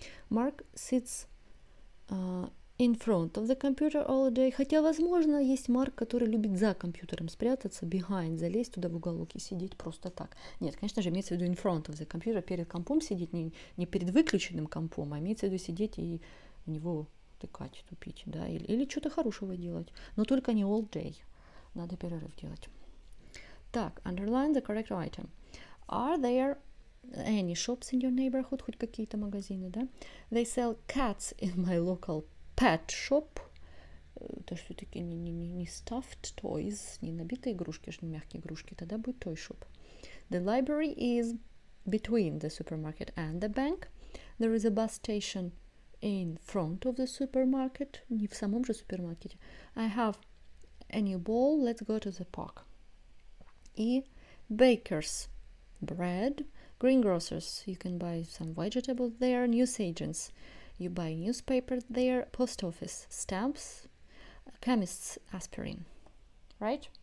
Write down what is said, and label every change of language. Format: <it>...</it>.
<en>Mark sits in front of the computer all day.</en> <ru>Хотя, возможно, есть Марк, который любит за компьютером спрятаться, behind, залезть туда в уголок и сидеть просто так. Нет, конечно же, имеется в виду</ru> <en>in front of the computer,</en> <ru>перед компом сидеть, не перед выключенным компом, а имеется в виду сидеть и в него тыкать, тупить, да, или что-то хорошего делать, но только не</ru> <en>all day.</en> <ru>Надо перерыв делать. Так,</ru> <en>underline the correct item. Are there any shops in your neighborhood?</en> <ru>Хоть какие-то магазины, да?</ru> <en>They sell cats in my local pet shop.</en> <ru>Это же все-таки не</ru> <en>stuffed toys,</en> <ru>не набитые игрушки, не мягкие игрушки. Тогда будет</ru> <en>toy shop. The library is between the supermarket and the bank. There is a bus station in front of the supermarket.</en> <ru>Не в самом же супермаркете.</ru> <en>I have a new ball. Let's go to the park. И bakers, bread. Greengrocers, you can buy some vegetables there. Newsagents, you buy newspaper there. Post office, stamps. Chemists, aspirin. Right?</en>